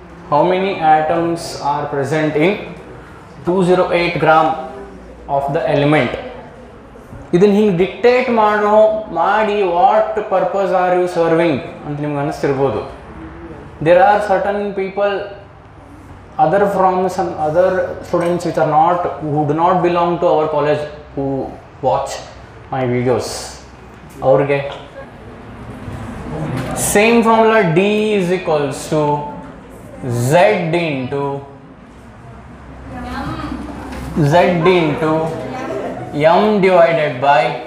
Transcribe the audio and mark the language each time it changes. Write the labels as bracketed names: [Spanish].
[English] How many atoms are present in 208 gram of the element? [Kannada] ಇದನ್ನ ಹಿಂಗೆ dictate ಮಾಡೋ ಮಾಡಿ [English] what purpose are you serving [Kannada] ಅಂತ ನಿಮ್ಗೆ ಅನ್ನಿಸ್ತಿರ್ಬೋದು. [English] There are certain people other from some other students which are not who do not belong to our college who watch my videos. [Kannada] ಅವ್ರಿಗೆ [English] same formula, D is equals to Z in to Z in to m divided by